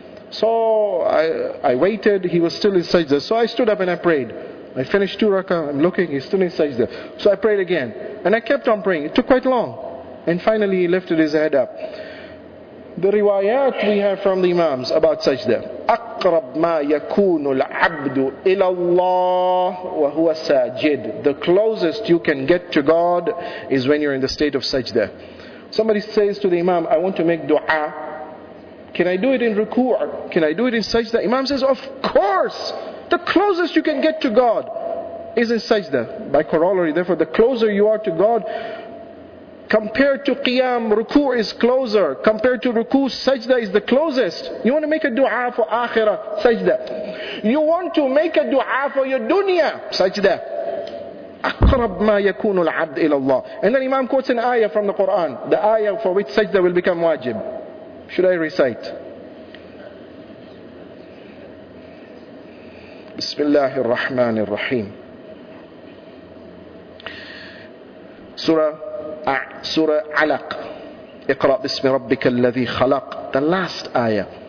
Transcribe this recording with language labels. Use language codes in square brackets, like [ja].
[en] So I waited. He was still in sajda. So I stood up and I prayed. I finished 2 rakah. I'm looking. He's still in sajda. So I prayed again. And I kept on praying. It took quite long. And finally he lifted his head up. The riwayat we have from the imams about sajda. [ar] أقرب ما يكون العبد إلى الله وهو ساجد. [en] The closest you can get to God is when you're in the state of sajda. Somebody says to the imam, I want to make dua. Can I do it in ruku'? Can I do it in sajda? Imam says, of course! The closest you can get to God is in sajda. By corollary, therefore, the closer you are to God, compared to qiyam, ruku' is closer. Compared to ruku', sajda is the closest. You want to make a dua for akhirah, sajda. You want to make a dua for your dunya, sajda. [ar] أقرب ما يكون العبد إلى الله. [en] And then Imam quotes an ayah from the Quran. The ayah for which sajda will become wajib. Should I recite? [ar] Bismillah ar-Rahman ar-Rahim. [en] Surah Alaq. [ar] Iqra bismi rabbika alladhi khalaq. [en] The last ayah.